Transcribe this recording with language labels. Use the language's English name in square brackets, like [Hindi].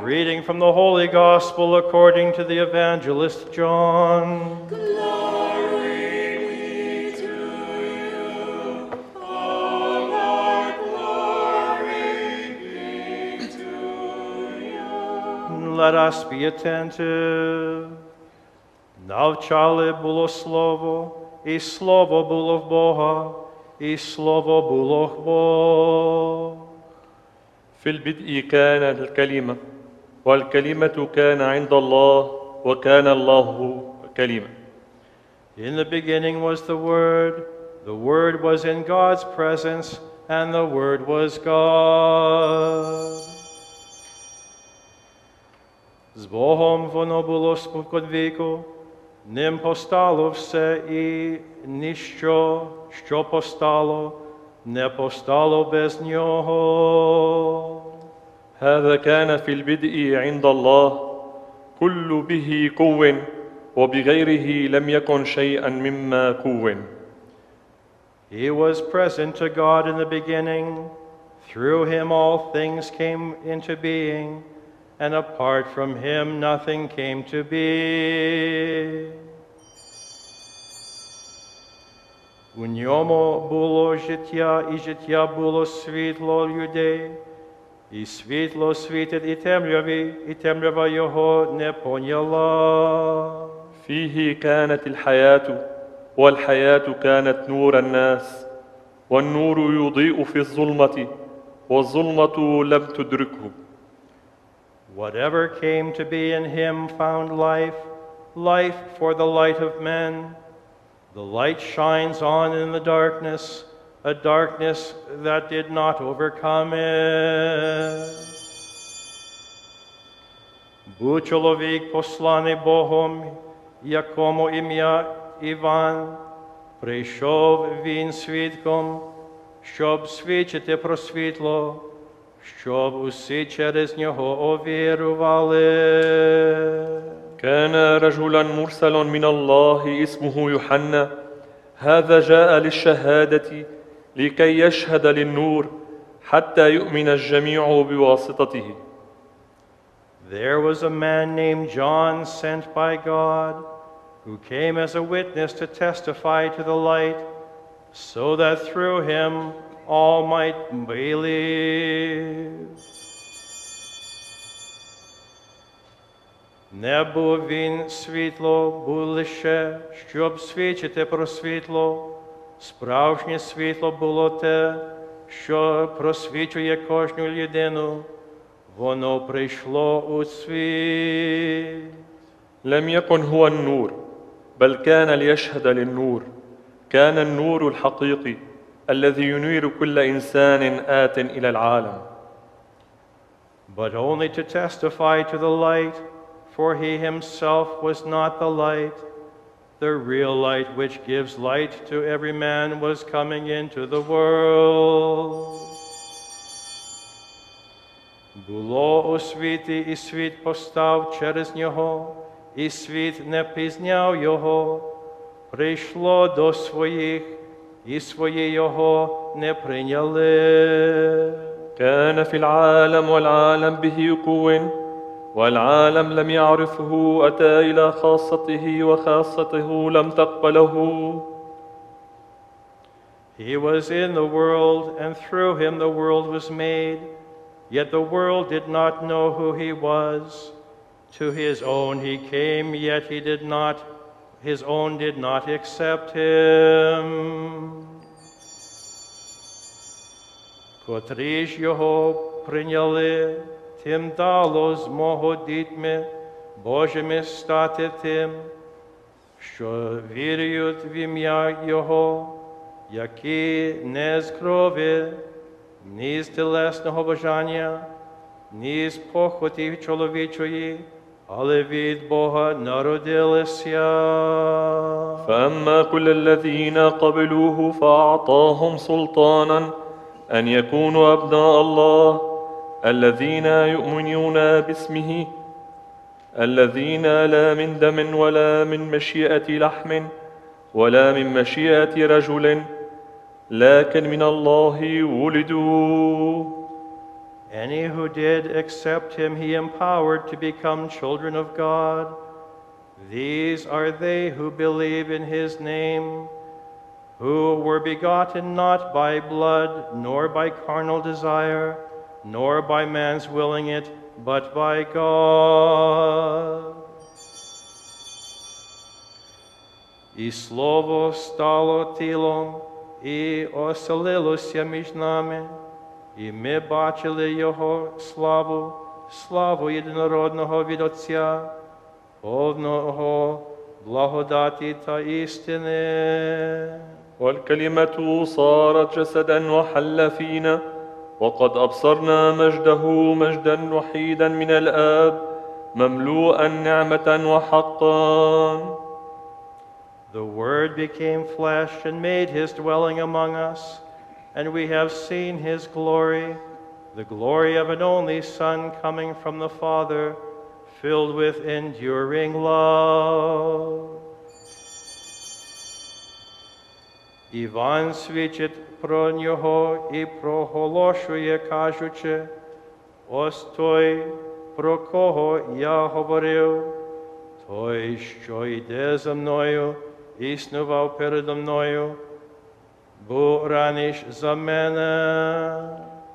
[English] A reading from the Holy Gospel according to the Evangelist John. Glory be to you, O Lord, glory be to you. Let us be attentive. [Ukrainian] Навчали було слово, і слово було в Бога, і слово було в Бога. [Arabic] في البدء كان الكلمة, والكلمة كان عند الله, وكان الله كلمة. [English] In the beginning was the Word was in God's presence, and the Word was God. [Ukrainian] З Богом воно було спокон віку, Ним постало все, і ніщо, що постало, не постало без нього. [Arabic] هذا كان في البدء عند الله كل به كون وبغيره لم يكن شيئا مما كون. [English] He was present to God in the beginning. Through him all things came into being. and apart from him nothing came to be. [Ukrainian] У ньому було життя, і життя було світло людей, і світло світить і темряві, і темрява його не поняла. [Arabic] فيه كانت الحياة والحياة كانت نور الناس والنور يضيء في الظلمة والظلمة لم تدركه. [English] Whatever came to be in him found life, life for the light of men. The light shines on in the darkness, a darkness that did not overcome it. [Ukrainian] Був чоловік посланий Богом, якому ім'я Іван, прийшов він свідком, щоб свідчити про світло, щоб усі через нього увірували. [Arabic] كان رجلا مرسلا من الله اسمه يوحنا هذا جاء للشهادة لكي يشهد للنور حتى يؤمن الجميع بواسطته. [English] There was a man named John sent by God who came as a witness to testify to the light so that through him all might believe. [Ukrainian] Не був він світло, був лише, щоб свідчити про світло. Справжнє світло було те, що просвічує кожну людину. Воно прийшло у світ. [Arabic] لم يكن هو النور, بل كان ليشهد للنور. كان النور الحقيقي, الذي ينير كل إنسان آت إلى العالم. [English] But only to testify to the light, for he himself was not the light. The real light which gives light to every man was coming into the world. [Ukrainian] Було у світі, і світ постав через нього, і світ не пізняв його. Прийшло до своїх, і свої його не прийняли. [Arabic] كان في العالم والعالم به يكون والعالم لم يعرفه أتى إلى خاصته وخاصته لم تقبله. [English] He was in the world and through him the world was made, yet the world did not know who he was. To his own he came, yet he did not, his own did not accept him. [Ukrainian] Котрі ж його прийняли, тим дало змогу дітьми Божими стати тим, що вірюють в ім'я Його, які не з крові, ні з телесного бажання, ні з похоті чоловічої, але від Бога народилися. [Arabic] فأما كل الذين قبلوه فأعطاهم سلطانا أن يكونوا أبناء الله الذين يؤمنون باسمه الذين لا من دم ولا من مشيئة لحم ولا من مشيئة رجل لكن من الله ولدوا. [English] Any who did accept him he empowered to become children of God. These are they who believe in his name, who were begotten not by blood, nor by carnal desire, nor by man's willing it, but by God. [Ukrainian] І слово стало тілом, і оселилося між нами, і ми бачили його славу, славу єдинородного від Отця, повного благодати та істини. [Arabic] والكلمة صارت جسدا وحل فينا وقد أبصرنا مجده مجدا وحيدا من الآب مملوءا نعمة وحقا. [English] The word became flesh and made his dwelling among us, and we have seen his glory, the glory of an only son coming from the Father, filled with enduring love. [Ukrainian] Іван свідчить про нього і проголошує, кажучи, ось той, про кого я говорив, той, що йде за мною, існував передо мною, був раніше за мене.